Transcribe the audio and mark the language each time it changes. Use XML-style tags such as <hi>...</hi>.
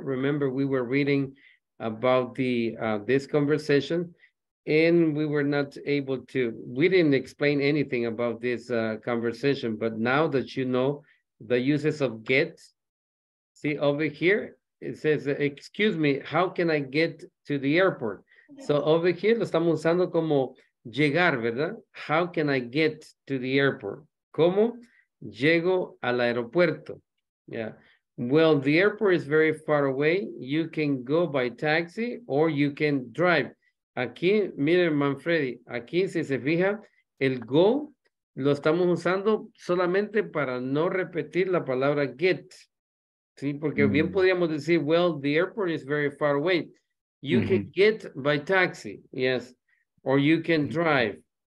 <en>Remember, we were reading about the this conversation, and we were not able to, we didn't explain anything about this conversation, but now that you know the uses of get, see over here, it says, excuse me, how can I get to the airport? Yeah. So over here,</en> <es>lo estamos usando como llegar, ¿verdad?</es> <en>How can I get to the airport?</en> <es>¿Cómo? Llego al aeropuerto.</es> <en>Yeah. Well, the airport is very far away. You can go by taxi or you can drive.</en> <es>Aquí, miren, Manfredi, aquí, si se fija, el go lo estamos usando solamente para no repetir la palabra get. Sí, porque bien podríamos decir,</es> <en>well, the airport is very far away. You can get by taxi, yes, or you can drive.</en>